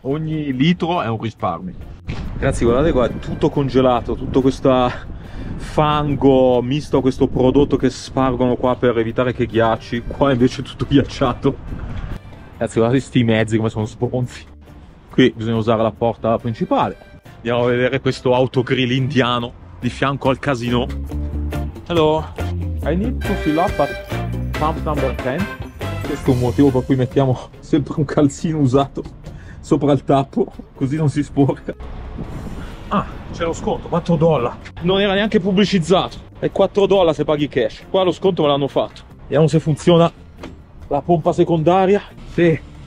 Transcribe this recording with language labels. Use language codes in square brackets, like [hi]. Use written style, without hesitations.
[it] Ogni litro è un risparmio. Ragazzi, guardate qua, è tutto congelato, tutto questo fango misto a questo prodotto che spargono qua per evitare che ghiacci. Qua invece è tutto ghiacciato. Ragazzi, guardate questi mezzi come sono sponzi. Qui bisogna usare la porta principale. Andiamo a vedere questo autogrill indiano di fianco al casino. [en] Hello, I need to fill up at pump number 10. [it] Questo è un motivo per cui mettiamo sempre un calzino usato sopra il tappo, così non si sporca. Ah, c'è lo sconto, $4. Non era neanche pubblicizzato. È $4 se paghi cash. Qua lo sconto me l'hanno fatto. Vediamo se funziona la pompa secondaria. Sì.